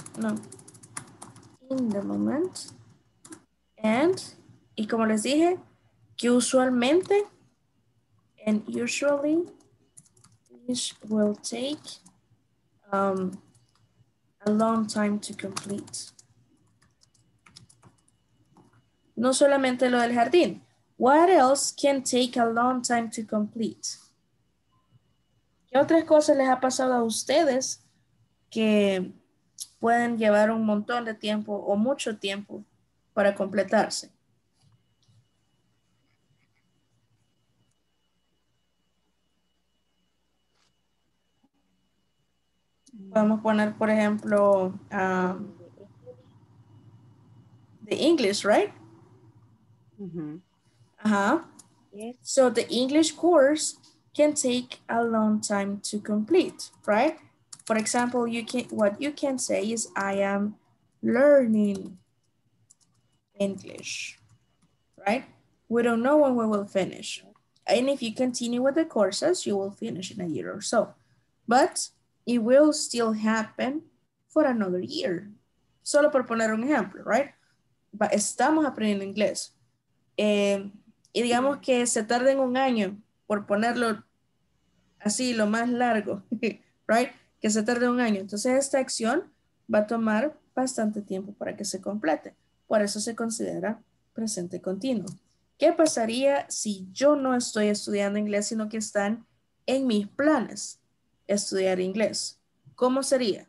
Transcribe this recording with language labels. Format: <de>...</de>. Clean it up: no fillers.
<en>No. In the moment. And,</en> <es>y como les dije, que usualmente,</es> <en>and usually, this will take a long time to complete.</en> <es>No solamente lo del jardín.</es> <en>What else can take a long time to complete?</en> <es>¿Qué otras cosas les ha pasado a ustedes que pueden llevar un montón de tiempo o mucho tiempo para completarse? Podemos poner, por ejemplo, the English, right? Mm-hmm. Uh-huh.</es> <en>Yes. So the English course can take a long time to complete, right? For example, what you can say is I am learning English, right? We don't know when we will finish. And if you continue with the courses, you will finish in a year or so. But it will still happen for another year.</en> <es>Solo por poner un ejemplo, right? But estamos aprendiendo inglés. Y digamos que se tarden un año, por ponerlo así, lo más largo, right? Que se tarde un año. Entonces esta acción va a tomar bastante tiempo para que se complete. Por eso se considera presente continuo. ¿Qué pasaría si yo no estoy estudiando inglés, sino que están en mis planes estudiar inglés? ¿Cómo sería?</es>